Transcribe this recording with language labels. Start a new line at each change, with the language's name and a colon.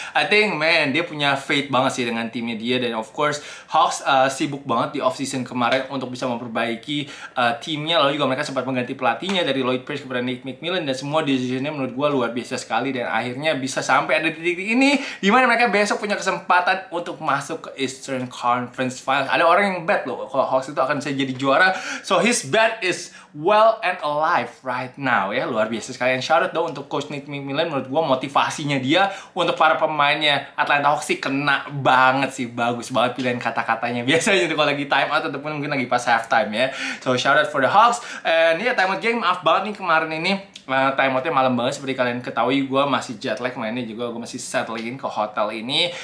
English: I think, man,
Indonesian: dia punya faith banget sih dengan timnya dia. Dan of course, Hawks sibuk banget di offseason kemarin untuk bisa memperbaiki timnya. Lalu juga mereka sempat mengganti pelatihnya dari Lloyd Pierce kepada Nate McMillan. Dan semua decision-nya menurut gue luar biasa sekali. Dan akhirnya bisa sampai ada di titik ini di mana mereka besok punya kesempatan untuk masuk ke Eastern Conference Finals. Ada orang yang bet loh kalau Hawks itu akan bisa jadi juara.
English: So his bet is well and alive right now ya.
Indonesian: Luar biasa sekali.
English: And shout out though
Indonesian: untuk Coach Nate McMillan. Menurut gue motivasinya dia untuk para pemainnya Atlanta Hawks sih kena banget sih. Bagus banget pilihan kata-katanya. Biasanya itu kalau lagi time out ataupun mungkin lagi pas halftime ya.
English: So shout out for the Hawks. And yeah, time out game.
Indonesian: Maaf banget nih kemarin ini. Time out-nya malam banget seperti kalian ketahui, gue masih jet lag, mainnya juga gue masih settling ke hotel ini.